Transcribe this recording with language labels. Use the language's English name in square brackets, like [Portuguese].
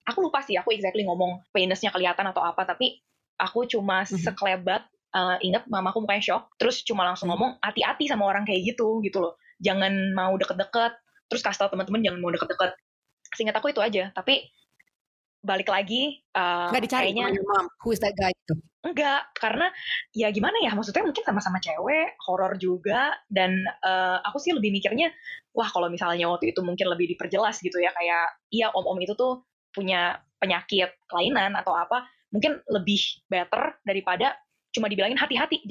[Indonesian] Aku lupa sih, aku exactly ngomong penisnya kelihatan atau apa, tapi aku cuma sekelebat inget mamaku mukanya shock, terus cuma langsung ngomong, hati-hati sama orang kayak gitu loh, jangan mau deket-deket, terus kasih tau teman-teman jangan mau deket-deket. Seingat aku itu aja, tapi balik lagi, nggak dicari, kayaknya, [English] mom, who is that guy? [Indonesian] Enggak, karena ya gimana ya, maksudnya mungkin sama-sama cewek, horor juga, dan aku sih lebih mikirnya, wah kalau misalnya waktu itu mungkin lebih diperjelas gitu ya, kayak iya om-om itu tuh punya penyakit kelainan atau apa, mungkin lebih better daripada cuma dibilangin hati-hati.